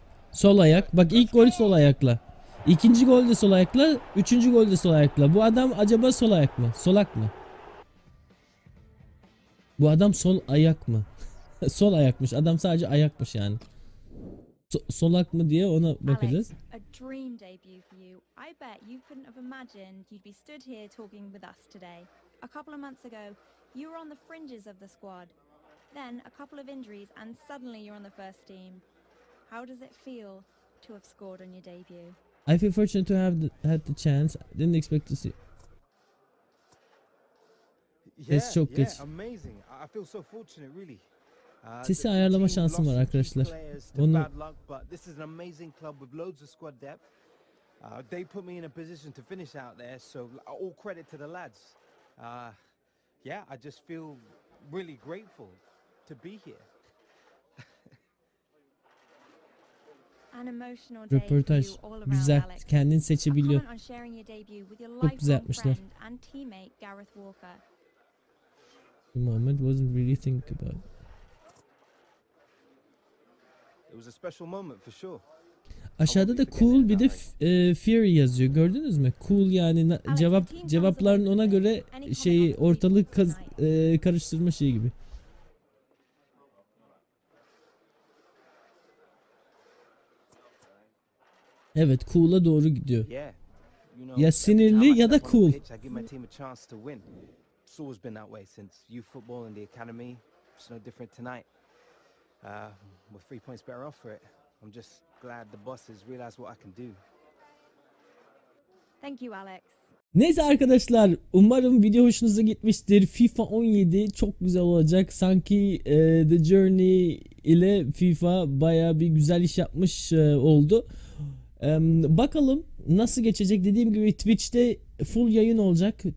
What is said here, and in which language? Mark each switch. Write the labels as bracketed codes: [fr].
[tr] Sol ayak. Bak ilk golü sol ayakla. İkinci gol de sol ayakla. Üçüncü gol de sol ayakla. Bu adam acaba sol ayak mı? Solak mı? Bu adam sol ayak mı? Sol ayakmış. Adam sadece ayakmış yani. Solak mı diye ona bakacağız. [en] Alex, a dream debut for you. I bet you couldn't have imagined you'd be stood here talking with us today. A couple of months ago, you were on the fringes of the squad. Then a couple of injuries and suddenly you're on the first team. How does it feel to have scored on your debut? I feel fortunate to have had the chance. I didn't expect to see. Yes, yeah, yeah, amazing. I feel so fortunate, really. [tr] Sesi ayarlama şansım var arkadaşlar. Bunu [en] luck, but this is an amazing club with loads of squad depth. They put me in a position to finish out there, so all credit to the lads. Yeah, I just feel really grateful to be here. An emotional day. Reportage. [tr] Güzel. Alex. Kendin seçebiliyor. [en] A comment on sharing your debut with your lifelong friend [tr] yapmışlar. [en] And teammate Gareth Walker. The moment wasn't really think about. It was a special moment for sure. [tr] Aşağıda da cool bir de Fury yazıyor. Gördünüz mü? Cool yani cevapların ona göre şey ortalık karıştırma şeyi gibi. Evet, cool'a doğru gidiyor. Ya sinirli ya da cool. [en] It's always been that way since youth football and the academy. It's no different tonight. We're 3 points better off for it. I'm just glad the bosses realize what I can do. Thank you, Alex. [tr] Neyse arkadaşlar, umarım video hoşunuza gitmiştir. FIFA 17 çok güzel olacak. Sanki The Journey ile FIFA baya bir güzel iş yapmış oldu. Bakalım nasıl geçecek. Dediğim gibi Twitch'te full yayın olacak.